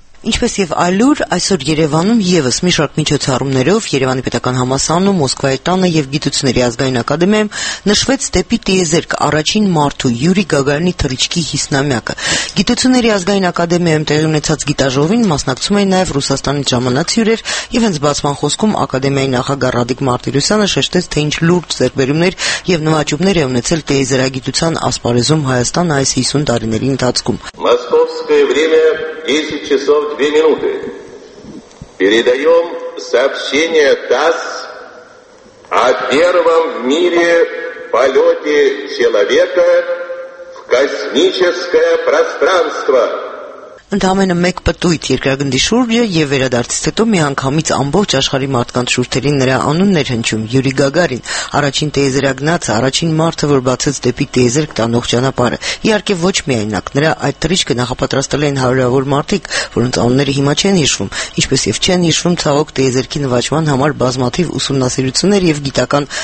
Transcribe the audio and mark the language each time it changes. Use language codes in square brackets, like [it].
[hy] Ինչպես եւ այլուր, այսօր Երևանում եւս մի շարք միջոցառումներով Երևանի պետական համալսարանում, Մոսկվայի տանը եւ գիտությունների ազգային ակադեմիայում նշվեց դեպի տիեզերք առաջին մարդու Յուրի Գագարինի թռիչքի 50-ամյակը։ Գիտությունների ազգային ակադեմիայում տեղի ունեցած գիտաժողովին մասնակցում էին նաեւ Ռուսաստանի ժամանած հյուրեր, եւ հենց բացման խոսքում ակադեմիայի նախագահ Ռադիկ Մարտիրոսյանը շեշտեց, թե ինչ լուրջ ձեռբերումներ եւ նվաճումներ է ունեցել տիեզերագիտության ասպարեզում Հայաստան այս 50 տարիների ընթացքում։ [ru] Две минуты. Передаем сообщение ТАСС о первом в мире полете человека в космическое пространство. [hy] Ընդամենը մեկ պտույտ երկրագնդի շուրջը և վերադարձից հետո միանգամից ամբողջ աշխարհի մարդկանց շուրթերին նրա անունն էր հնչում՝ Յուրի Գագարին, առաջին տիեզերագնացը, առաջին մարդը, որ բացեց դեպի տիեզերք տանող ճանապարհը։ Իհարկե ոչ միայնակ, նրա այդ թռիչքը նախապատրաստել էին հարյուրավոր մարդիկ, որոնց անունները հիմա չեն հիշվում, ինչպես և չեն հիշվում ցավոք տիեզերքի նվաճման համար բազմաթիվ ուսումնասիրություններ և գիտական